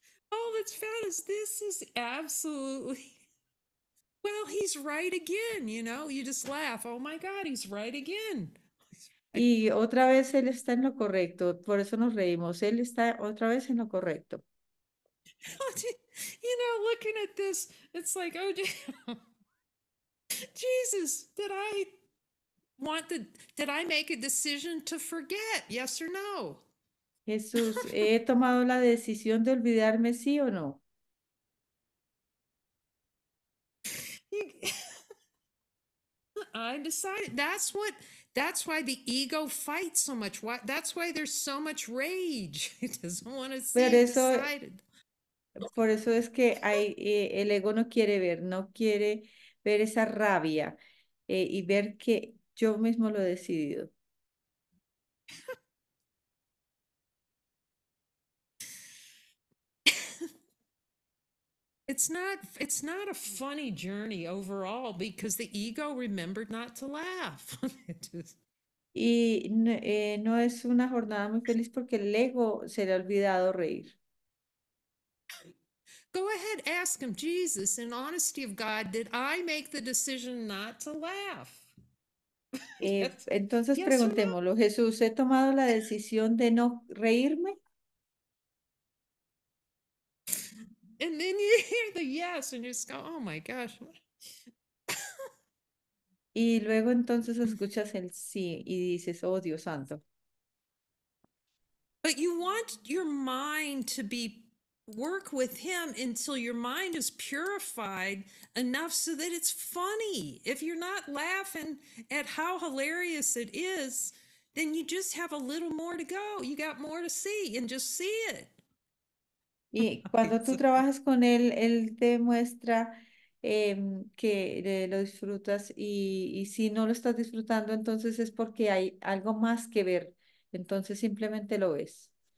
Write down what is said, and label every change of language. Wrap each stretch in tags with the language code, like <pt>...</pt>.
<en>all that's found is this is absolutely, well, he's right again, you know, you just laugh. Oh my God, he's right again.</en> <es>Y otra vez él está en lo correcto, por eso nos reímos, él está otra vez en lo correcto.</es> <en>You know, looking at this, it's like, oh, damn. Jesus, did I make a decision to forget? Yes or no?</en> <es>Jesús, ¿he tomado la decisión de olvidarme, sí o no?</es> <en>I decided that's why the ego fights so much. Why that's why there's so much rage. It doesn't want to see</en> <es>Pero</es> <en>it</en> <es>eso,</es> <en>decided.</en> <es>por eso es que hay, el ego no quiere ver, no quiere ver esa rabia, y ver que yo mismo lo he decidido.</es> <en>It's not a funny journey overall because the ego remembered not to laugh. It just...</en> <es>Y no es una jornada muy feliz porque el ego se le ha olvidado reír.</es> <en>Go ahead, ask him, Jesus, in honesty of God, did I make the decision not to laugh? Yes.</en> <es>Entonces</es> <en>Yes or no?</en> <es>preguntémoslo, Jesús, ¿he tomado la decisión de no reírme?</es> <en>And then you hear the yes, and you just go, oh my gosh.</en> <es>Y luego entonces escuchas el sí y dices, oh Dios santo.</es> <en>You want your mind to be work with him until your mind is purified enough so that it's funny. If you're not laughing at how hilarious it is, then you just have a little more to go. You got more to see, and just see it.</en> <es>Y cuando tú trabajas con él te muestra que lo disfrutas y si no lo estás disfrutando, entonces es porque hay algo más que ver, entonces simplemente lo ves.</es>